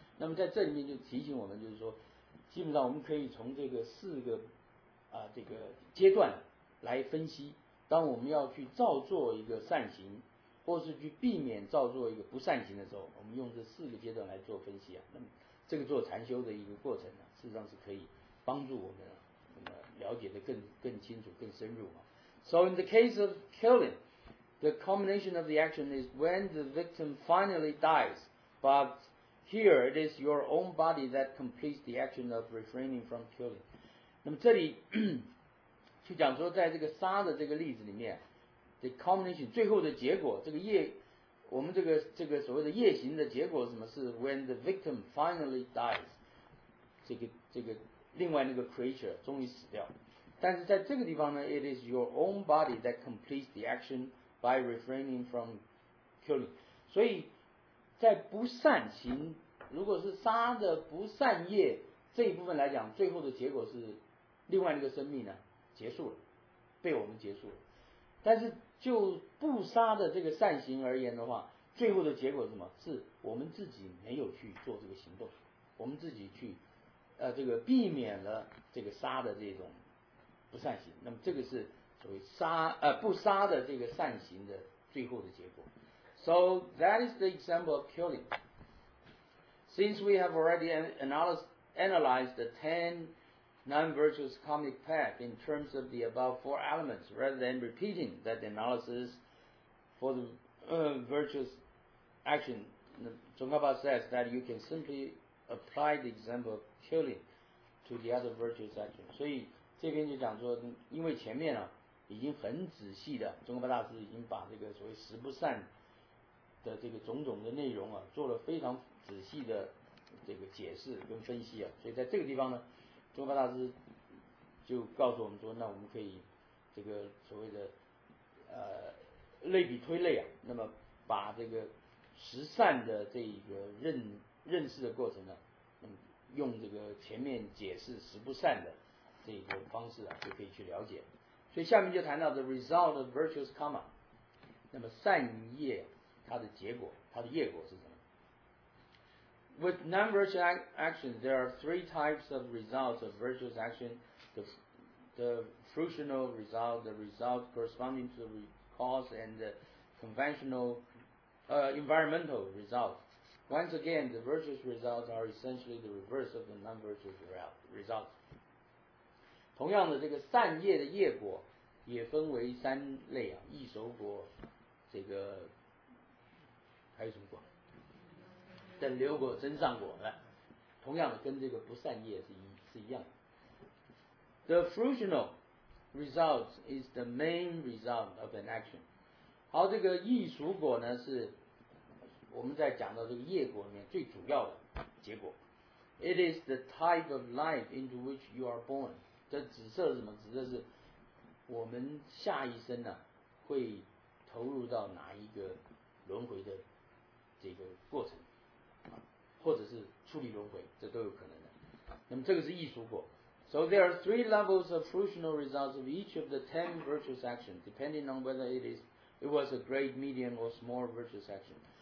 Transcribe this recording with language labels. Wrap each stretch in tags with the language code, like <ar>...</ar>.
<zh>那么在这里面就提醒我们，就是说，基本上我们可以从这个四个这个阶段来分析，当我们要去造作一个善行，或是去避免造作一个不善行的时候，我们用这四个阶段来做分析啊。那么这个做禅修的一个过程呢，事实上是可以帮助我们了解的更清楚、更深入嘛。</zh> <en>So in the case of killing, the culmination of the action is when the victim finally dies. But here it is your own body that completes the action of refraining from killing.</en> <zh>那么这里去讲说，在这个杀的这个例子里面 ，</zh> <en>the culmination</en> <zh>最后的结果，这个业。我们这个所谓的夜行的结果是什么？是</zh> <en>when the victim finally dies,</en> <zh>这个另外那个 creature 终于死掉。但是在这个地方呢，</zh> <en>it is your own body that completes the action by refraining from killing.</en> <zh>所以在不善行，如果是杀的不善业这一部分来讲，最后的结果是另外那个生命呢结束了，被我们结束了。但是就不杀的这个善行而言的话，最后的结果是什么？是我们自己没有去做这个行动，我们自己去这个避免了这个杀的这种不善行。那么这个是所谓不杀的这个善行的最后的结果。</zh> <en>So that is the example of killing. Since we have already analyzed the 10 non-virtuous karmic path in terms of the above four elements, rather than repeating that analysis for the virtuous action, Tsongkhapa says that you can simply apply the example of killing to the other virtuous action.</en> <zh>所以这边就讲说，因为前面已经很仔细的，Tsongkhapa大师已经把这个所谓十不善的这个种种的内容做了非常仔细的这个解释跟分析，所以在这个地方呢，宗喀大师就告诉我们说，那我们可以这个所谓的类比推类啊，那么把这个十善的这一个认识的过程呢，用这个前面解释十不善的这个方式啊，就可以去了解。所以下面就谈到</zh> <en>the result of virtuous karma，</en> <zh>那么善业它的结果，它的业果是什么？</zh> <en>With non-virtuous actions there are three types of results of virtuous action: the fruitional result, the result corresponding to the cause, and the conventional environmental result. Once again, the virtuous results are essentially the reverse of the non-virtuous result.</en> <zh>同样的，这个善业的业果也分为三类啊，易熟果，这个还有什么果？等流果、增上果的。同样的，跟这个不善业是一样的。</zh> <en>The fruitional result is the main result of an action.</en> <zh>好，这个易熟果呢，是我们在讲到这个业果里面最主要的结果。</zh> <en>It is the type of life into which you are born.</en> <zh>这指涉是什么？指的是我们下一生呢，会投入到哪一个轮回的这个过程，或者是出离轮回，这都有可能的。那么这个是易熟果。</zh> <en>So there are three levels of fruitional results of each of the 10 virtuous actions, depending on whether it was a great, medium, or small virtuous action.</en>